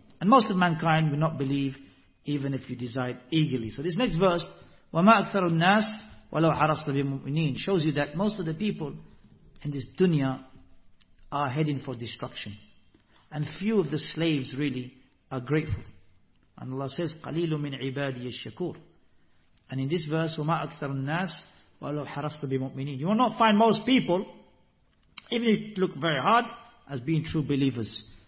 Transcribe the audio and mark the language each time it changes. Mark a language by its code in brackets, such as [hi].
[en] And most of mankind will not believe even if you desire eagerly. So this next verse, [ar] وَمَا أَكْثَرُ النَّاسِ وَلَوْ حَرَصْتَ بِمُؤْمِنِينَ, [en] shows you that most of the people in this dunya are heading for destruction. And few of the slaves really are grateful. And Allah says, [ar] قَلِيلُ مِنْ عِبَادِيَ الشَّكُورِ. [en] And in this verse, [ar] وَمَا أَكْثَرُ النَّاسِ وَلَوْ حَرَصْتَ بِمُؤْمِنِينَ, [en] you will not find most people, even if it look very hard, as being true believers.